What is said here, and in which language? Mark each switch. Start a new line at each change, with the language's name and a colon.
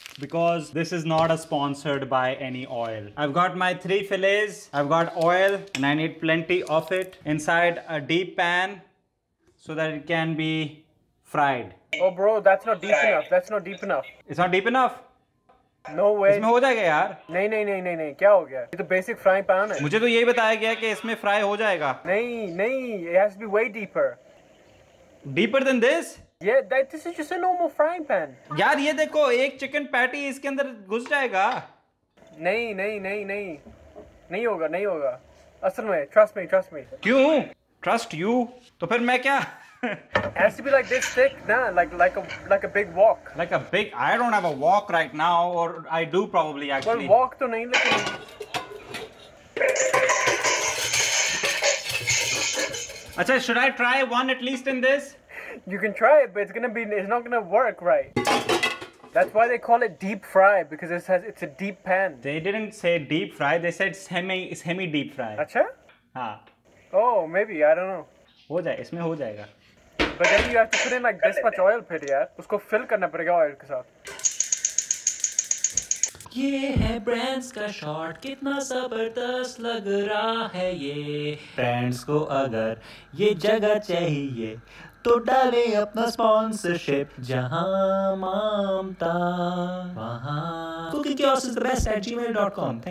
English: Because this is not a sponsored by any oil. I've got my 3 fillets. I've got oil, and I need plenty of it inside a deep pan, so that it can be fried. Oh bro, that's not deep enough. It's not deep enough? No way.
Hindi: इसमें हो जाएगा यार? नहीं, क्या हो गया? ये तो basic frying pan है. मुझे तो यही बताया गया कि इसमें fry हो जाएगा.
English: नहीं, it has to be way deeper. Deeper than this? Yeah, this is just a normal frying pan.
Hindi: यार ये देखो, एक chicken patty इसके अंदर घुस जाएगा. नहीं होगा. असल में,
English: trust me.
Hindi: क्यों?
English: Trust you?
Hindi: तो फिर मैं क्या?
English: It has to be like this thick, nah, like a big wok. Like a big, I don't have a wok right now, or I do probably actually.
Hindi: Well, wok to nahin lakin.
English: Achha, should I try one at least in this? You can try it, but it's not gonna work right. That's why they call it deep fry, because it's a deep pan. They didn't say deep fry, they said semi deep fry.
Hindi: Achha? Haan.
English: Oh, maybe, I don't know.
Hindi: Ho jaye, isme ho jayega.
English: But then you have to put in like this much oil
Hindi: फिर यार उसको fill करना पड़ेगा oil के साथ. ये है brands का shot कितना जबरदस्त लग रहा है ये brands को अगर ये जगह चाहिए तो डालें अपना sponsorship जहां मामता वहां cookiekiosk@gmail.com.